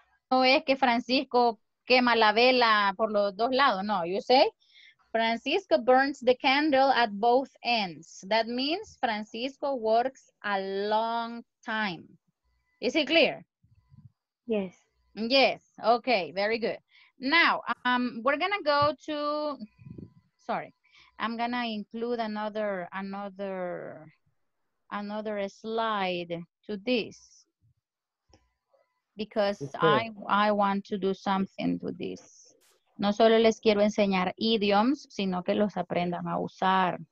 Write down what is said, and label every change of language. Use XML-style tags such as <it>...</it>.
<es>No es que Francisco quema la vela por los dos lados.</es> <en>No, you say Francisco burns the candle at both ends. That means Francisco works a long time. Is it clear? Yes. Yes. Okay, very good. Now, we're going to go to, sorry, I'm going to include another slide to this because I want to do something to this.</en> <es>No solo les quiero enseñar idioms, sino que los aprendan a usar.</es>